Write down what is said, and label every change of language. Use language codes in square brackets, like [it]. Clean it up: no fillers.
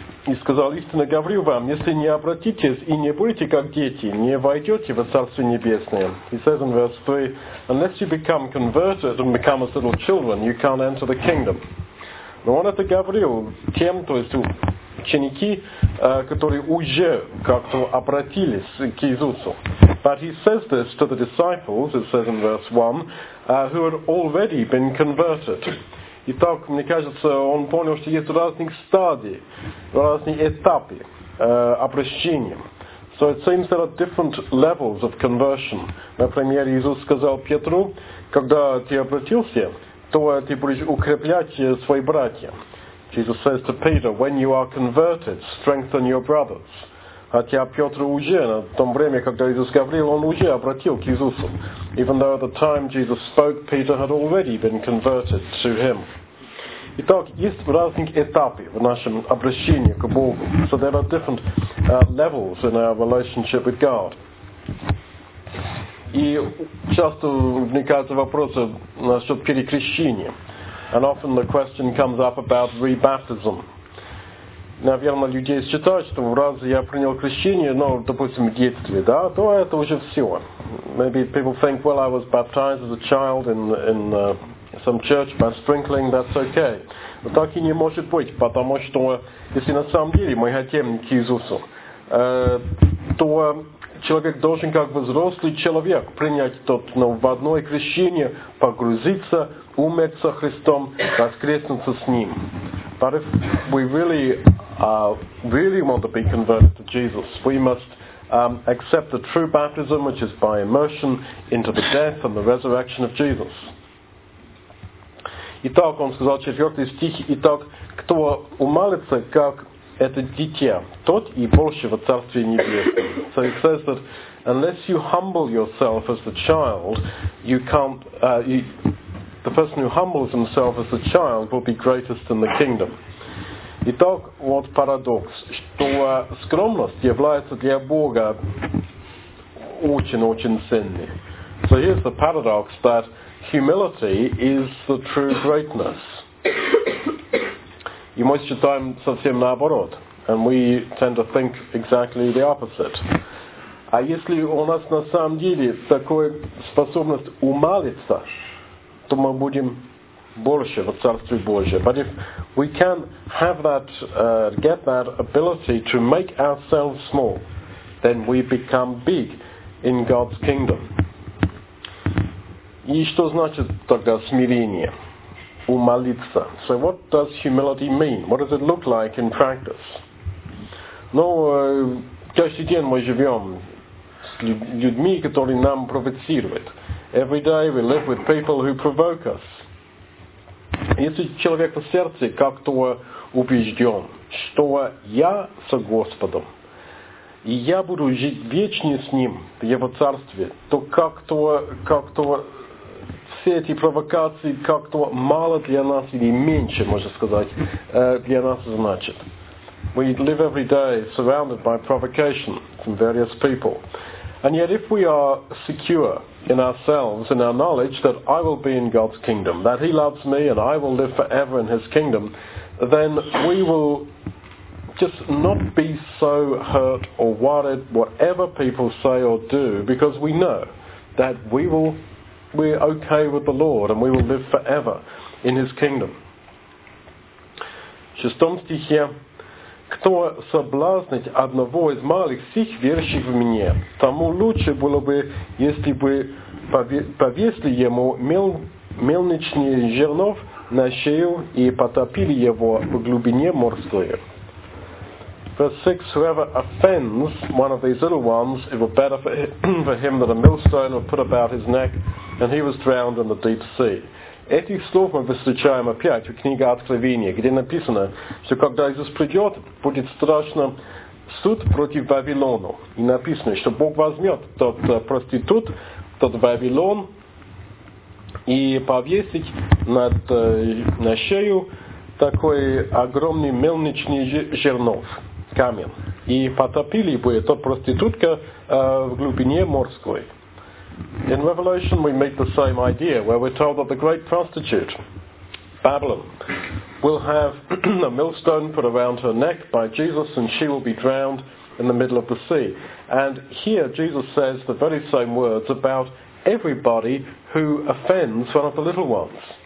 [ru] «И сказал: истинно говорю вам, если не обратитесь и не будете как дети, не войдете в Царствие Небесное». [en] He says in verse 3, «Unless you become converted and become as little children, you can't enter the kingdom». [ru] Но он это говорил тем, то есть ученики, которые уже как-то обратились к Иисусу. [en] But he says this to the disciples, it says in verse 1, who had already been converted. [ru] Итак, мне кажется, он понял, что есть разные стадии, разные этапы обращения. [en] So it seems there are different levels of conversion. [ru] Например, Иисус сказал Петру, когда ты обратился, то ты будешь укреплять свои братья. [en] Jesus says to Peter, when you are converted, strengthen your brothers. [ru] Хотя Петр уже, на том время, когда Иисус говорил, он уже обратил к Иисусу. [en] Even though at the time Jesus spoke, Peter had already been converted to him. [ru] Итак, есть разные этапы в нашем обращении к Богу. [en] So there are different levels in our relationship with God. [ru] И часто возникает вопрос насчет перекрещения. [en] And often the question comes up about rebaptism. [ru] Наверное, людей считают, что раз я принял крещение, ну, допустим, в детстве, да, то это уже все. [en] Maybe people think, well, I was baptized as a child in some church by sprinkling, that's okay. [ru] Но так и не может быть, потому что если на самом деле мы хотим к Иисусу, то человек должен, как взрослый человек, принять тот, ну, в одно крещение, погрузиться, умереть Христом, воскреснуться с Ним. [en] But if we really want to be converted to Jesus, we must accept the true baptism, which is by immersion into the death and the resurrection of Jesus. [ru] Итак, он сказал 4 стих, итак, кто умолится, как это дитя, тот и больше во Царстве Небесном. [en] So it says that unless you humble yourself as the child, the person who humbles himself as a child will be greatest in the kingdom. [ru] Итак, вот парадокс, что скромность является для Бога очень-очень ценной. [en] So here's the paradox that humility is the true greatness. [ru] И мы считаем совсем наоборот. [en] And we tend to think exactly the opposite. [ru] А если у нас на самом деле такая способность умалиться, то мы будем больше в Царстве Божьем. [en] But if we can have that, get that ability to make ourselves small, then we become big in God's kingdom. [ru] И что значит тогда смирение? Умолиться. [en] So what does humility mean? What does it look like in practice? [ru] Ну, каждый день мы живем с людьми, которые нам провоцируют. [en] Every day we live with people who provoke us. [ru] Если человек в сердце как-то убежден, что я с Господом, и я буду жить вечно с Ним в Его Царстве, то как-то все эти провокации как-то мало для нас, или меньше, можно сказать, для нас значит. [en] We live every day surrounded by provocation from various people. And yet if we are secure in ourselves, in our knowledge that I will be in God's kingdom, that He loves me and I will live forever in His kingdom, then we will just not be so hurt or worried whatever people say or do, because we know that we're okay with the Lord and we will live forever in His kingdom. [ru] Шестом стихе. Кто соблазнит одного из малых сих верующих в Мне, тому лучше было бы, если бы повесили ему мельничный жернов на шею и потопили его в глубине морской. [en] Verse 6, whoever offends one of these little ones, it were better for him that a millstone were put about his neck, and he was drowned in the deep sea. [ru] Эти слов мы встречаем опять в книге Откровения, где написано, что когда Иисус придет, будет страшно суд против Вавилона. И написано, что Бог возьмет тот проститут, тот Вавилон, и повесит на шею такой огромный мельничный жернов, камень. И потопили бы тот проститутка в глубине морской. [en] In Revelation, we meet the same idea, where we're told that the great prostitute, Babylon, will have a millstone put around her neck by Jesus, and she will be drowned in the middle of the sea. And here, Jesus says the very same words about everybody who offends one of the little ones.